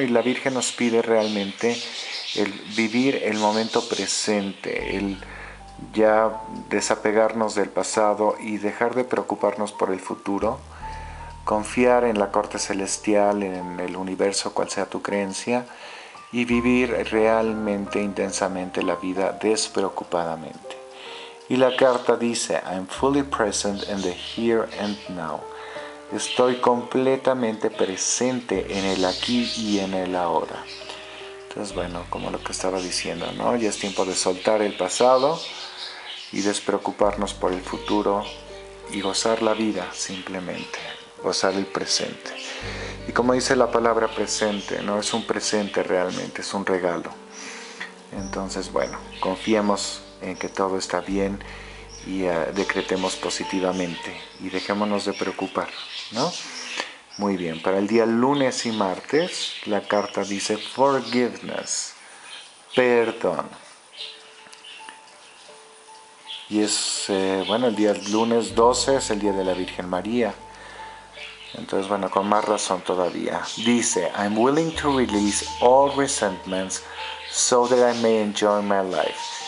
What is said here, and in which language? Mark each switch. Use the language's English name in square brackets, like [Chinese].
[Spanish] Y la Virgen nos pide realmente el vivir el momento presente, el ya desapegarnos del pasado y dejar de preocuparnos por el futuro. Confiar en la corte celestial, en el universo, cual sea tu creencia, y vivir realmente intensamente la vida despreocupadamente. Y la carta dice, [English] I'm fully present in the here and now. [Spanish] Estoy completamente presente en el aquí y en el ahora. Entonces, bueno, como lo que estaba diciendo, ¿no? Ya es tiempo de soltar el pasado y despreocuparnos por el futuro y gozar la vida simplemente. Gozar el presente. Y como dice la palabra presente, ¿no? Es un presente realmente, es un regalo. Entonces, bueno, confiemos en que todo está bien y decretemos positivamente y dejémonos de preocupar, ¿no? Muy bien, para el día lunes y martes, la carta dice forgiveness, perdón. Y es, el día lunes 12 es el día de la Virgen María. Entonces, bueno, con más razón todavía. [English] Dice, I'm willing to release all resentments so that I may enjoy my life.